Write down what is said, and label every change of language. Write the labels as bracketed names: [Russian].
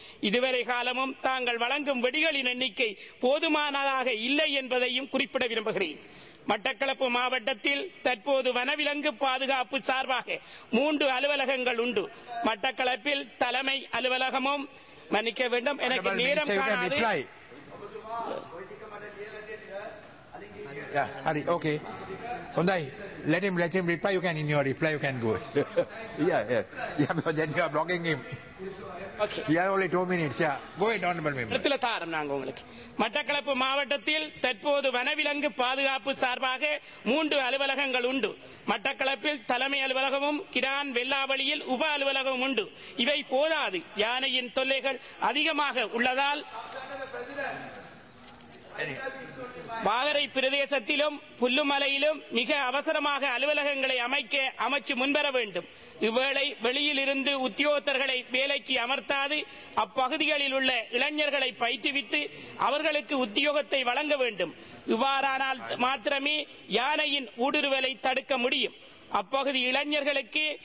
[Tamil] இதுவரை காலமும் தாங்கள் வழங்கும் வெடிகளின் எண்ணிக்கை போதுமானதாக இல்லை என்பதையும் குறிப்பிட விரும்புகிறேன் மட்டக்களப்பு மாவட்டத்தில் தற்போது வனவிலங்கு பாதுகாப்பு சார்பாக 3 அலுவலகங்கள் உண்டு மட்டக்களப்பில் தலைமை அலுவலகமும் மன்னிக்க வேண்டும் எனக்கு நேரம் காணாது [English] Okay ஹுண்டாய் let him reply you can in your reply you can go yeah you are blocking him Okay. Yeah, only 2 minutes. Yeah. Go ahead, honorable member. [Tamil] இடத்தில தாரம் நாங்க உங்களுக்கு. மட்டக்களப்பு மாவட்டத்தில் தற்போது வனவிலங்கு பாதுகாப்பு சார்பாக 3 அலுவலகங்கள் உண்டு. மட்டக்களப்பில் தலைமை அலுவலகமும் கிரான் வெள்ளாவளியில் உப அலுவலகமும் உண்டு. இவை போதாது. யானையின் தொல்லைகள் அதிகமாக உள்ளதால் வாகரை பிரதேசத்திலும் புல்லுமலையிலும் மிக அவசரமாக அலுவலகங்களை அமைக்க அமைச்சு முன்வர வேண்டும் இவ்வேளை வெளியில் இருந்து உத்தியோகத்தர்களை வேலைக்கு அமர்த்தாது அப்பகுதிகளில் உள்ள இளைஞர்களை பயிற்றுவித்து அவர்களுக்கு உத்தியோகத்தை வழங்க வேண்டும் இவ்வாறானால் மாத்திரமே யானையின் ஊடுருவலை தடுக்க முடியும் அப்பகுதி இளைஞர்களுக்கு